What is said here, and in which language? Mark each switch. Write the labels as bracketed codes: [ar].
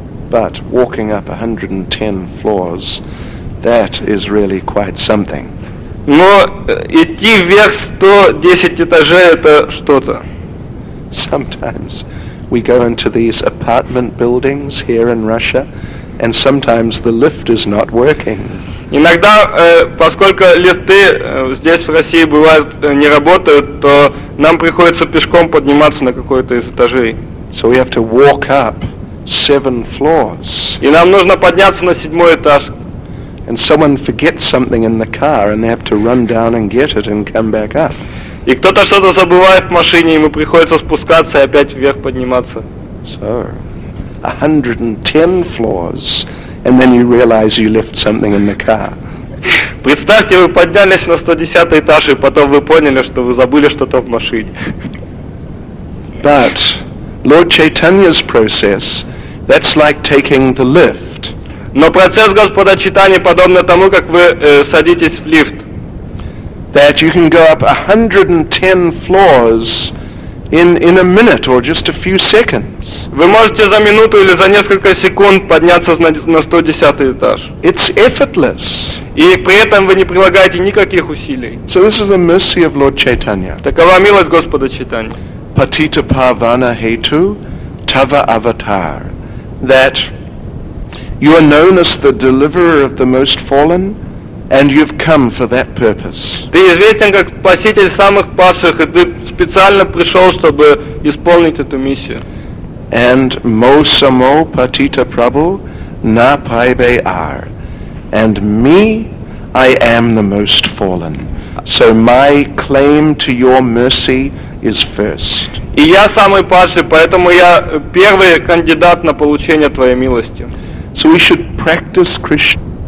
[en] But walking up 110 floors, that is really quite something. [ru] Но идти вверх 110 этажей – это что-то. [en] Sometimes we go into these apartment buildings here in Russia, and sometimes the lift is not working. [ru] Иногда, поскольку лифты здесь в России бывают не работают, то нам приходится пешком подниматься на какой-то из этажей. [en] So we have to walk up 7 floors. [ru] И нам нужно подняться на 7-й этаж. [en] and someone forgets something in the car and they have to run down and get it and come back up. [ru] И кто-то что-то забывает в машине, ему приходится спускаться и опять вверх подниматься. [en] So, 110 floors, and then you realize you left something in the car. [ru] Представьте, вы поднялись на 110 этаж, и потом вы поняли, что вы забыли что-то в машине. [en] But Lord Chaitanya's process, that's like taking the lift. [ru] Но процесс Господа Чайтаньи подобно тому, как вы садитесь в лифт. [en] That you can go up 110 floors in a minute or just a few seconds. [ru] Вы можете за минуту или за несколько секунд подняться на 110 этаж. [en] It's effortless. [ru] И при этом вы не прилагаете никаких усилий. [en] So this is the mercy of Lord Chaitanya. [ru] Такова милость Господа Чайтаньи. [bn] Patita Pavana Hetu Tava Avatar. [en] That you are known as the deliverer of the most fallen. And you've come for that purpose. [ru] Ты известен как спаситель самых падших, и ты специально пришел, чтобы исполнить эту миссию. [en] And [bn] mo samo patita prabhu na paibe ar. [en] And me, I am the most fallen. So my claim to your mercy is first. [ru] И я самый падший, поэтому я первый кандидат на получение твоей милости. [en] So we should practice Krishna.